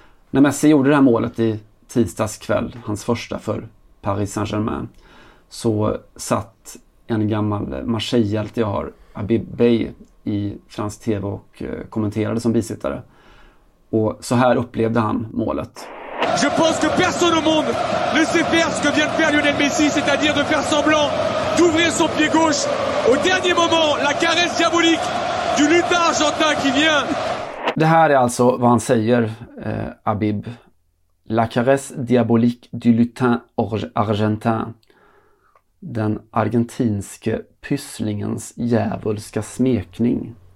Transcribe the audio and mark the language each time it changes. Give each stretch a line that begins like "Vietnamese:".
Swedish: När Messi gjorde det här målet i tisdags kväll, hans första för Paris Saint-Germain, så satt en gammal Marseille-hjälte jag har, Habib Bey, i fransk tv och kommenterade som bisittare. Och så här upplevde han målet.
French: Je pense que personne au monde ne sait faire ce que vient de faire Lionel Messi, c'est-à-dire de faire semblant d'ouvrir son pied gauche au dernier moment, la caresse diabolique du lutin argentin qui vient.
Swedish: Det här är alltså vad han säger, Habib.
French: La caresse diabolique du lutin argentin.
Swedish: Den argentinske pysslingens djävulska smekning.